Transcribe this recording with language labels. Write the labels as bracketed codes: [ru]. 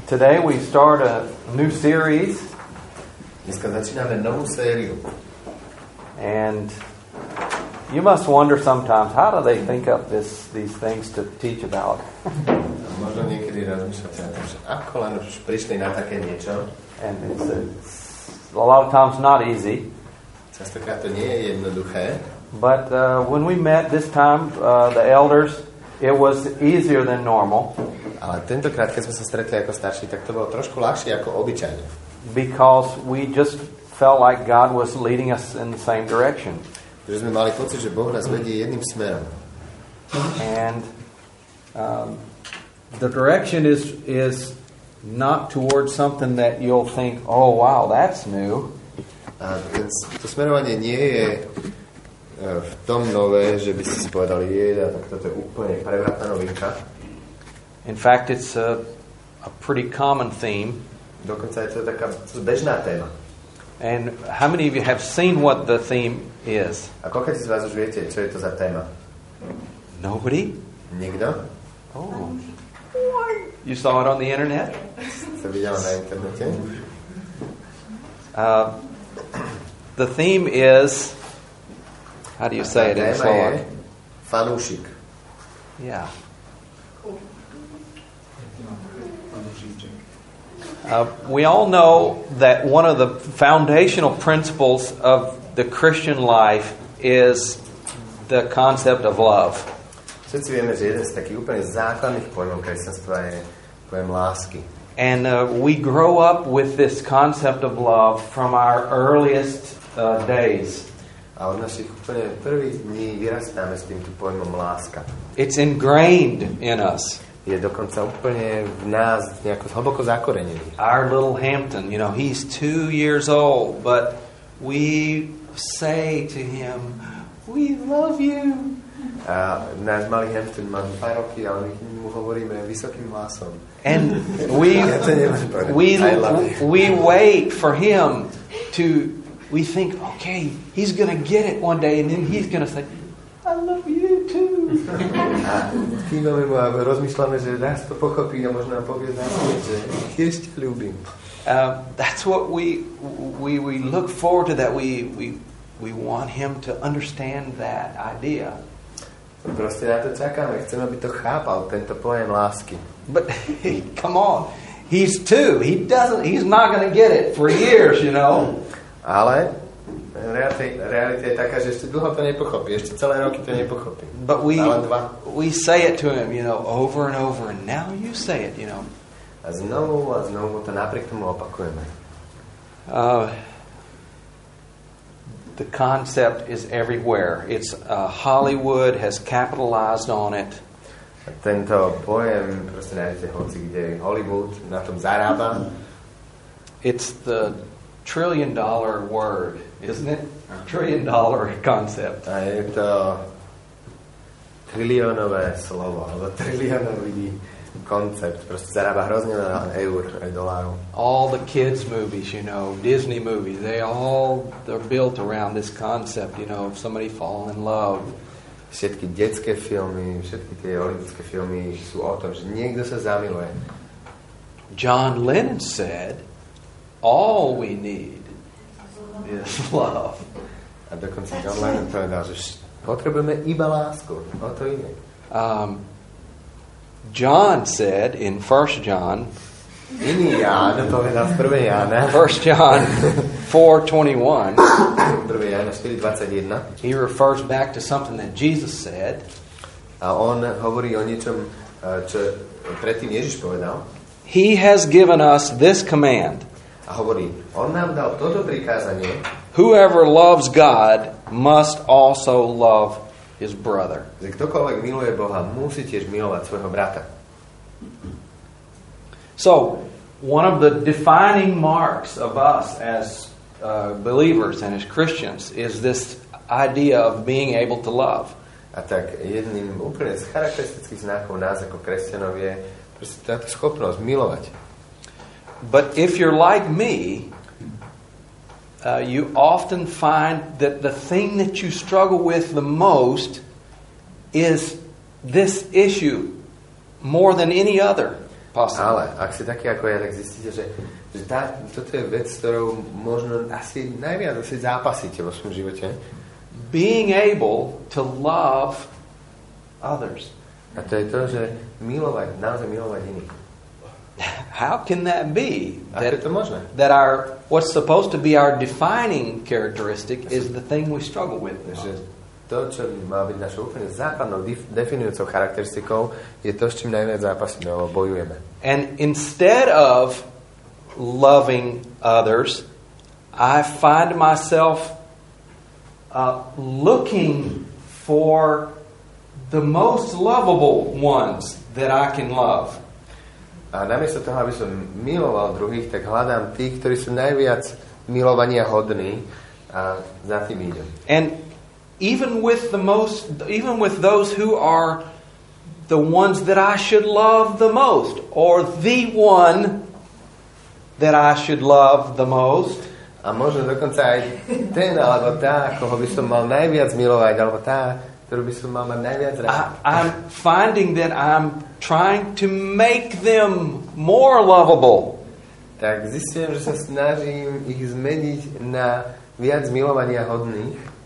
[en] Today we start a new series. [sk] Dneska začíname novú sériu. [en] And you must wonder sometimes, how do they think up these things to teach about? [sk] Možno niekedy rozmýšľate o tom, že ako len už prišli na také niečo. [en] And it's a lot of times not easy. [sk] Častokrát to nie je jednoduché. [en] But when we met this time, the elders, it was easier than normal. [sk] Ale tentokrát, keď sme sa stretli ako starší, tak to bolo trošku ľahšie ako obyčajne. [en] Because we just felt like God was leading us in the same direction. [sk] Že sme mali pocit, že Boh nás vedie jedným smerom. [en] And the direction is not towards something that you'll think, oh wow, that's new. [sk] A to smerovanie nie je v tom nové, že by ste si povedali, jeda, tak toto je úplne prevratná novinka. [en] In fact, it's a pretty common theme. [sk] Dokonca je to taká bežná téma. [en] And how many of you have seen what the theme is? [sk] A koľko z vás už viete, čo je to za téma? [en] Nobody? [sk] Nikto? [en] Oh. What? You saw it on the internet? [sk] To videl na internete. [en] The theme is, how do you say it in Slovak? [sk] Fanúšik. [en] Yeah. We all know that one of the foundational principles of the Christian life is the concept of love. [sk] Všetci vieme, že jeden z takých úplne základných pojmov kresťanstva je pojem lásky. [en] And we grow up with this concept of love from our earliest days. [sk] A od našich úplne prvých dní vyrastáme s týmto pojmom láska. [en] It's ingrained in us. [sk] Je dokonca úplne v nás nejako hlboko zakorenený. [en] Our little Hampton, you know, he's 2 years old, but we say to him, we love you. [sk] A náš malý Hampton má 2 roky, ale my mu hovoríme vysokým hlasom. [en] And we wait for him to, we think, okay, he's going to get it one day, and then he's going to say, I love you too. [sk] A rozmýšľame, že nás to pochopí a možno povie zároveň, že tiež ťa ľúbim. [en] That's what we look forward to, that we want him to understand that idea. [sk] Proste na to čakáme, chceme, aby to chápal, tento pojem lásky. [en] But come on, he's two, he's not going to get it for years, you know. [sk] Ale realita je taká, že ešte dlho to nepochopí, ešte celé roky to nepochopí. [en] But we say it to him, you know, over and over, and now you say it, you know. [sk] A znovu to napriek tomu opakujeme. [en] The concept is everywhere. It's Hollywood has capitalized on it. [sk] A tento pojem, proste nájdete hoci kde, Hollywood na tom zarába. [en] It's the $1 trillion word, isn't it? $1 trillion concept. [sk] A je to triliónové slovo, alebo triliónový koncept. Proste zarába hrozne na eur aj dolárov. [en] All the kids movies, you know, Disney movies, they're built around this concept, you know, of somebody falling in love. [sk] Všetky detské filmy, všetky tie hollywoodske filmy sú o tom, že niekto sa zamiluje. [en] John Lennon said, all we need is love. [sk] A dokonca John Lennon povedal, že potrebujeme iba lásku. O to ide. [en] John said in 1 John, [sk] iný Ján povedal v 1. Jána, [en] 1 John 4:21, [sk] 1. Jána 4:21, [en] he refers back to something that Jesus said. [sk] A on hovorí o niečom, čo predtým Ježiš povedal. [en] He has given us this command. [sk] A hovorí, on nám dal toto prikázanie. [en] Whoever loves God must also love his brother. [sk] Že ktokoľvek miluje Boha, musí tiež milovať svojho brata. [en] So, one of the defining marks of us as believers and as Christians is this idea of being able to love. [sk] A tak jedným úplne z charakteristických znakov nás ako kresťanov je proste táto schopnosť milovať. [en] But if you're like me, you often find that the thing that you struggle with the most is this issue more than any other. possible. [sk] Ale ak si taký ako ja, tak zistíte, že tá, toto je vec, s ktorou možno asi najviac asi zápasíte vo svojom živote. [en] Being able to love others. [sk] A to je to, že milovať, naozaj milovať iných. [en] How can that be that our what's supposed to be our defining characteristic is the thing we struggle with? [sk] To, čo má byť našou úplne základnou definujúcou charakteristikou, je to, s čím najviac zápasíme alebo bojujeme. [en] And instead of loving others, I find myself looking for the most lovable ones that I can love. [sk] A namiesto toho, aby som miloval druhých, tak hľadám tých, ktorí sú najviac milovania hodní a za tým idem. [en] And even with the most, even with those who are the ones that I should love the most, or the one that I should love the most. [sk] A možno dokonca aj ten, alebo tá, koho by som mal najviac milovať, alebo tá, ktorú by som mal mať najviac rád. [en] I'm finding that I'm trying to make them more lovable. [sk] Tak zistím, že sa snažím ich zmeniť na viac milovania hodných.